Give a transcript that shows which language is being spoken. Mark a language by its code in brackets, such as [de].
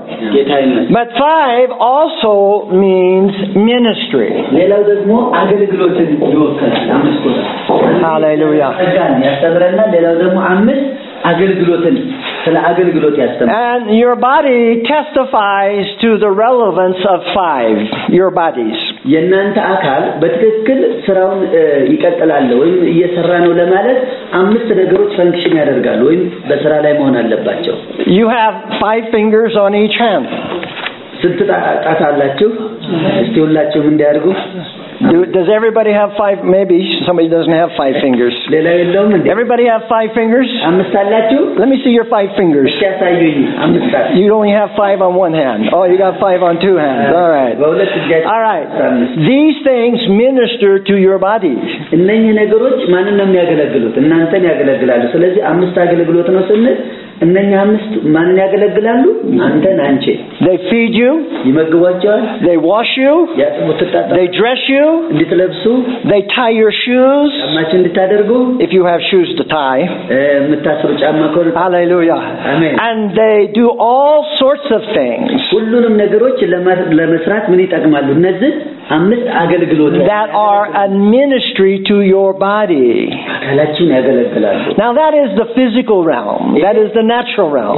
[en] But five also means ministry. Hallelujah. And your body testifies to the relevance of five, your bodies. [am] የናንተ አካል በትክክል ስራውን ይቀጥላል ወይ እየሰራ ነው ለማለት አምስት ነገሮች ፈንክሽን ያደርጋሉ ወይ በስራ ላይ መሆን አለባቸው [en] You have five fingers on each hand [am] ስንት ጣት አላችሁ እስቲ ሁላችሁ ምን እንዲያርጉ [en] Does everybody have five maybe somebody doesn't have five fingers Everybody have five fingers Let me see your five fingers You only have five on one hand Oh you got five on two hands All right All right These things minister to your body [am] እነኚህ ነገሮች ማንን ነው የሚያገለግሉት እናንተን ያገለግላሉ ስለዚህ አምስት አገልግሎት ነው ስንል እነኛ አምስት ማን ያገለግላሉ አንተን አንቺ [en] they feed you [am] ይመግባቸዋል [en] they wash you [am] ያጥቡታል [en] they dress you [am] እንድትለብሱ [en] they tie your shoes [am] ጫማችን እንድታደርጉ [en] if you have shoes to tie [am] ምታስሩ ጫማ ኮል [en] hallelujah amen and they do all sorts of things [am] ሁሉንም ነገሮች ለመስራት ምን ይጠቅማሉ እነዚህ አምስት አገልግሎቶች [en] that are a ministry to your body [am] ካላችን ያገለግላሉ [en] now that is the physical realm that is the natural realm